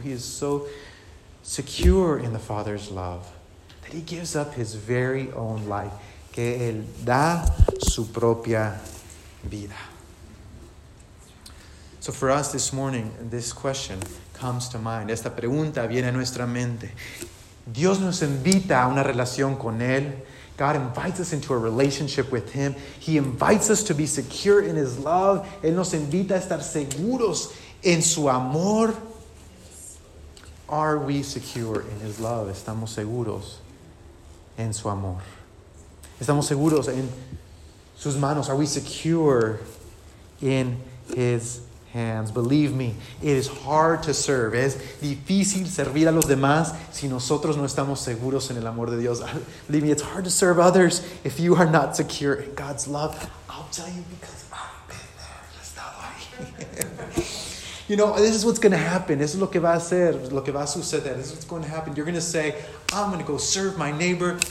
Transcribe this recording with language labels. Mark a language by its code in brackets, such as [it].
[en] He is so secure in the Father's love that he gives up his very own life. [es] Que él da su propia vida. [en] So for us this morning, this question comes to mind. [es] Esta pregunta viene a nuestra mente. Dios nos invita a una relación con Él. [en] God invites us into a relationship with Him. He invites us to be secure in His love. [es] Él nos invita a estar seguros en su amor. [en] Are we secure in His love? [es] ¿Estamos seguros en su amor? ¿Estamos seguros en sus manos? [en] Are we secure in his hands. Believe me, it is hard to serve. [es] Es difícil servir a los demás si nosotros no estamos seguros en el amor de Dios. [en] Believe me, it's hard to serve others if you are not secure in God's love. I'll tell you because I've been there. It's not like you know, this is what's going to happen. This is [es] lo que va a hacer, lo que va a suceder. [en] This is what's going to happen. You're going to say, I'm going to go serve my neighbor.